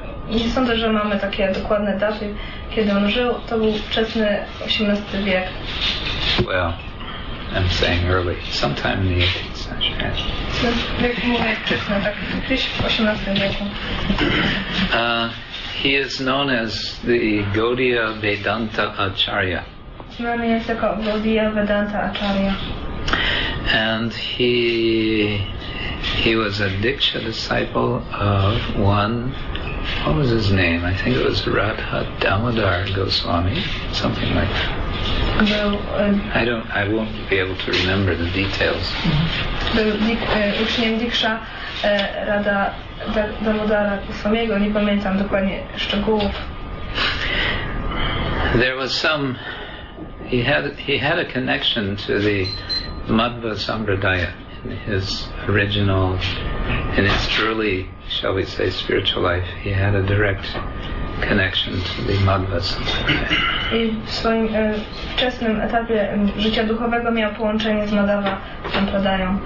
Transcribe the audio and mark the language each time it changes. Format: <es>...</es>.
<pl>Nie sądzę, że mamy takie dokładne daty, kiedy on żył. To był wczesny 18th wiek.</pl> <en>Well, I'm saying early, sometime in the 18th century.</en> <pl>Jak mówię, wczesny, tak, gdzieś w 18th wieku.</pl> <en>He is known as the Gaudiya Vedanta Acharya.</en> <pl>Znany jest jako Gaudiya Vedanta Acharya.</pl> <en>And he was a Diksha disciple of one, what was his name? I think it was Radha Damodar Goswami, something like that. I won't be able to remember the details.</en> <pl>Był uczniem Diksha Radha Damodara Goswamiego, nie pamiętam dokładnie szczegółów.</pl> <en>There was some, he had a connection to the Madhva Sampradaya in his original, in his early, shall we say, spiritual life. He had a direct connection to the Madhva Sampradaya.</en> <pl>I w swoim wczesnym etapie życia duchowego miał połączenie z Madhva Sampradaya.</pl>